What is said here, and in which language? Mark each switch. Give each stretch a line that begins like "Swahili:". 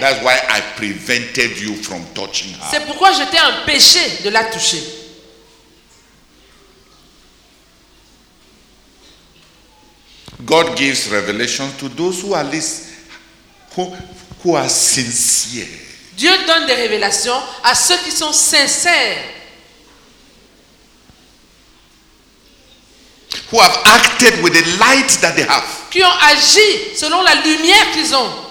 English: That's why I prevented you from touching her.
French: C'est pourquoi je t'ai empêché de la toucher.
English: God gives revelation to those who are least. Who are sincere.
French: Dieu donne des révélations à ceux qui sont sincères.
English: Who have acted with the light that they have.
French: Qui ont agi selon la lumière qu'ils ont.